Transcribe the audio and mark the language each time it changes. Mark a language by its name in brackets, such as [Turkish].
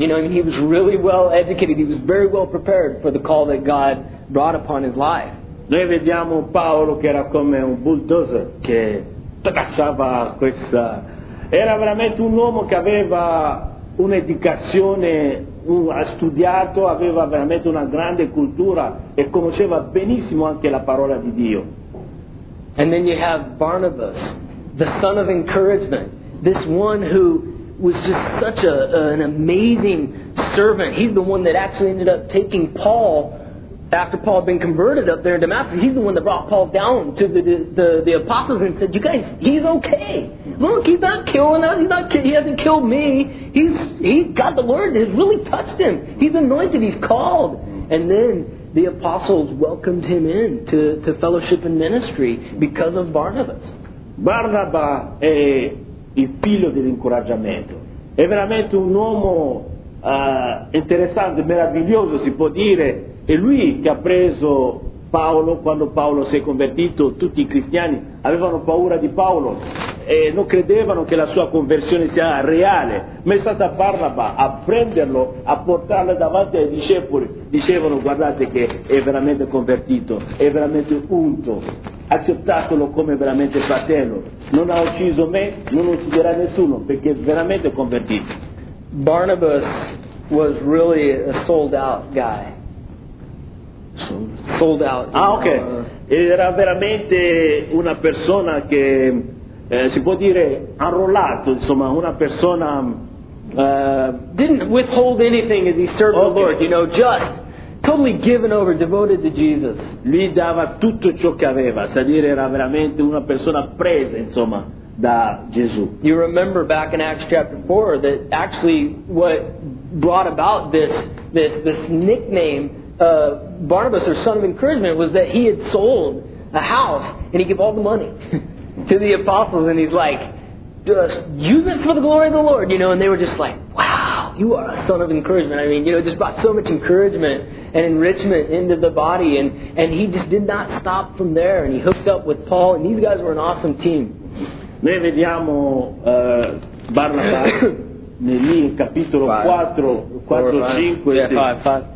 [English] You know, he was really well educated, he was very well prepared for the call that God brought upon his life. [Italian] Noi vediamo Paolo che era come un bulldozer che tracciava questa. Era veramente un uomo che aveva un'educazione, ha studiato, aveva veramente una grande cultura e conosceva benissimo anche la parola di Dio. [English] And then you have Barnabas, the son of encouragement, this one who was just such an amazing servant. He's the one that actually ended up taking Paul. After Paul had been converted up there in Damascus, he's the one that brought Paul down to the apostles and said, "You guys, he's okay. Look, he's not killing us. He hasn't killed me. He's got the Lord. It's really touched him. He's anointed. He's called." And then the apostles welcomed him in to fellowship and ministry because of Barnabas. [Italian] Barnaba è il figlio dell'incoraggiamento. È veramente un uomo interessante, meraviglioso, si può dire. E lui che ha preso Paolo, quando Paolo si è convertito, tutti i cristiani avevano paura di Paolo e non credevano che la sua conversione sia reale, ma è stata Barnaba a prenderlo, a portarlo davanti ai discepoli, dicevano: guardate che è veramente convertito, è veramente unto, accettatelo come veramente fratello, non ha ucciso me, non ucciderà nessuno, perché è veramente convertito. [English] Barnabas was really a sold out guy. Sold out. Ah, ok. [Italian] Era veramente una persona che si può dire arruolato, insomma, una persona [English] didn't withhold anything as he served the Lord, you know, just totally given over, devoted to Jesus. [Italian] Lui dava tutto ciò che aveva, cioè dire era veramente una persona presa, insomma, da Gesù. [English] You remember back in Acts chapter 4 that actually what brought about this nickname Barnabas, or son of encouragement, was that he had sold a house and he gave all the money to the apostles, and he's like, just use it for the glory of the Lord, you know. And they were just like, wow, you are a son of encouragement. I mean, you know, it just brought so much encouragement and enrichment into the body, and he just did not stop from there, and he hooked up with Paul, and these guys were an awesome team. [Italian] Noi vediamo Barnabas lì in capitolo 4, 5,